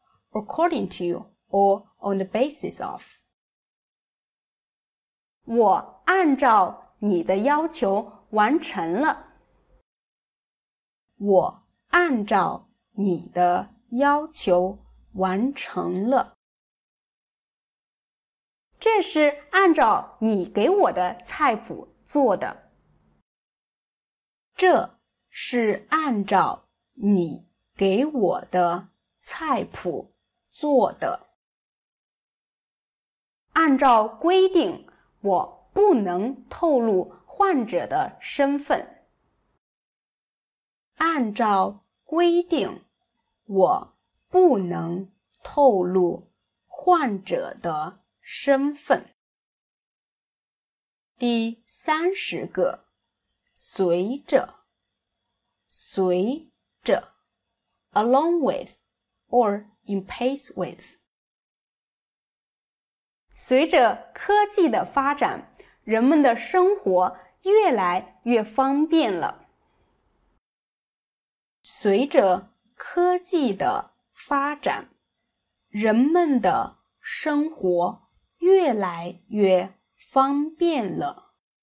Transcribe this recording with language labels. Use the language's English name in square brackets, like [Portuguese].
[English] according to or on the basis of。 [Chinese] 我按照你的要求完成了。我按照你的要求完成了。这是按照你给我的菜谱做的。这是按照你给我的菜谱做的。按照规定，我不能透露患者的身份。按照规定，我不能透露患者的身份。第30个，随着，随着， [English] along with or in pace with。 [Chinese] 随着科技的发展，人们的生活越来越方便了。随着科技的发展，人们的生活越来越方便了。